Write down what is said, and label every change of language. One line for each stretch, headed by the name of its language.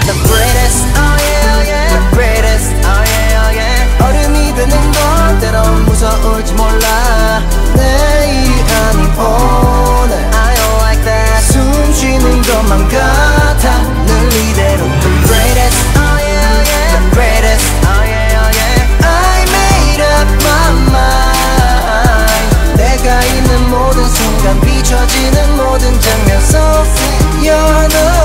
English: The greatest, oh yeah, oh yeah. The greatest, oh yeah, oh yeah.
Korean: 어른이 되는 것대로 무서울지 몰라 내일이 아닌 오늘.
English: I don't like that.
Korean: 숨 쉬는 것만 같아 늘 이대로.
English: The greatest, oh yeah, oh yeah. The greatest, oh yeah, oh yeah. I made up my mind.
Korean: 내가 있는 모든 순간 비춰지는 모든 장면
English: so you're the